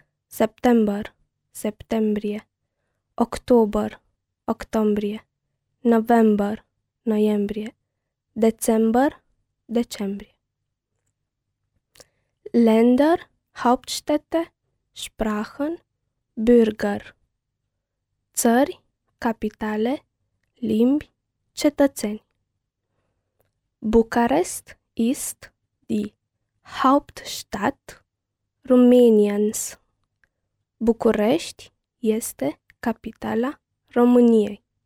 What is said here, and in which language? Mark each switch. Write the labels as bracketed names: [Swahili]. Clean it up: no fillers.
[English] September, septembrie. October, octombrie. November, noiembrie. December, decembrie. [German] Länder, Hauptstädte, Sprachen, Bürger. [Romanian] Țări, capitale, limbi, cetățeni. [German] Bucharest ist die Hauptstadt Rumäniens. [Romanian] București este capitala României.